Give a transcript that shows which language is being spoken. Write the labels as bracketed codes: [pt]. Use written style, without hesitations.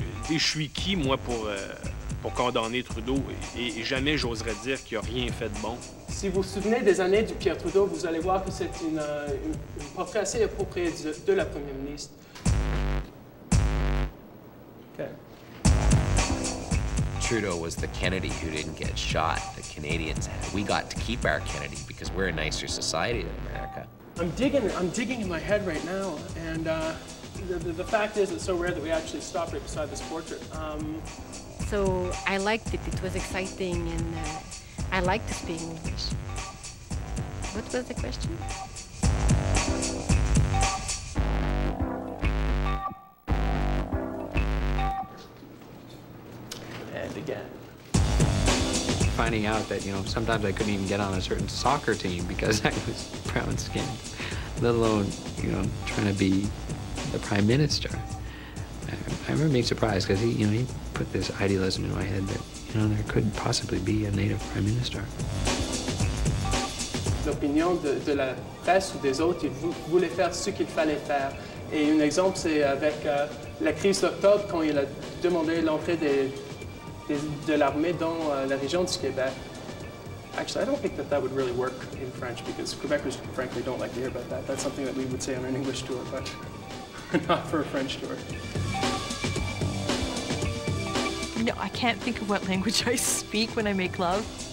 [fr] Et je suis qui, moi, pour condamner Trudeau? Et jamais j'oserais dire qu'il n'a rien fait de bon. Si vous vous souvenez des années du Pierre Trudeau, vous allez voir que c'est un portrait assez approprié de la Première ministre. Okay. [en] Trudeau was the Kennedy who didn't get shot. The Canadians had. We got to keep our Kennedy because we're a nicer society than America. I'm digging in my head right now, and the fact is, it's so rare that we actually stop right beside this portrait. So I liked it. It was exciting, and I liked speaking English. What was the question? Again. Finding out that, you know, sometimes I couldn't even get on a certain soccer team because I was brown skinned, let alone, you know, trying to be the prime minister. I remember being surprised because he put this idealism in my head that, you know, there couldn't possibly be a native prime minister. [fr] L'opinion de la presse ou des autres, ils voulaient faire ce qu'il fallait faire. Et un exemple, c'est avec la crise d'octobre quand il a demandé l'entrée de l'armée dans la région du Québec. [en] Actually, I don't think that would really work in French because Quebecers, frankly, don't like to hear about that. That's something that we would say on an English tour, but not for a French tour. No, I can't think of what language I speak when I make love.